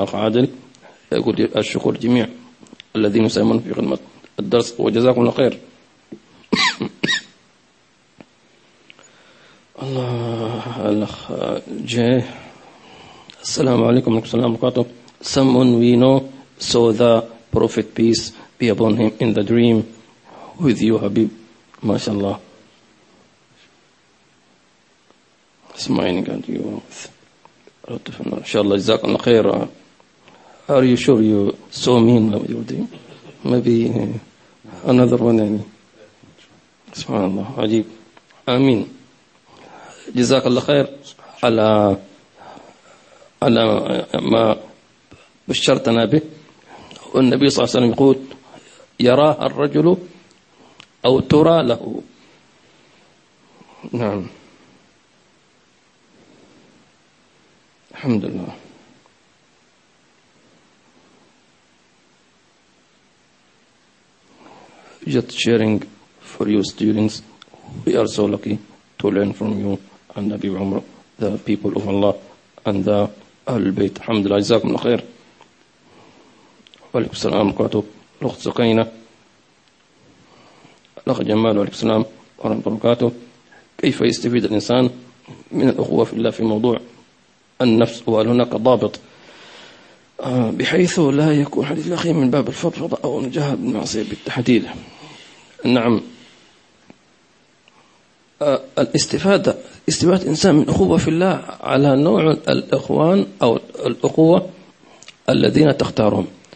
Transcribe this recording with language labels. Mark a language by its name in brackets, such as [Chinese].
[Arabic] أخ عادل يقول الشكر جميع الذين يساهمون في خدمة الدرس وجزاكم الله خير. الله الأخ جاي السلام عليكم ورحمة الله وبركاته. [English] Someone we know saw the Prophet peace be upon him in the dream with you Habib. MashaAllah. Smiling at you with lotuf and inshallah [Arabic] jazak al khair. [English] Are you sure you saw me in your dream? Maybe another one. SubhanAllah. Ajib. Ameen. [Arabic] Jazak al khair ala ma bashartana bih. والنبي صلى الله عليه وسلم يقول يراه الرجل أو ترى له. نعم الحمد لله. [English] Just sharing for you students, we are so lucky to learn from you and Nabi Umar, the people of Allah and the Ahlul Bayt. [Arabic] الحمد لله جزاكم الله خير. وعليكم السلام ورحمة الله. الأخت سقينة الأخ جمال وعليكم السلام ورحمة الله وبركاته. كيف يستفيد الإنسان من الأخوة في الله في موضوع النفس وهل هناك ضابط بحيث لا يكون حديث الأخي من باب الفضفضة أو المجاهد بالمعصية بالتحديد؟ نعم استفادة الإنسان من الأخوة في الله على نوع الإخوان أو الأخوة الذين تختارهم.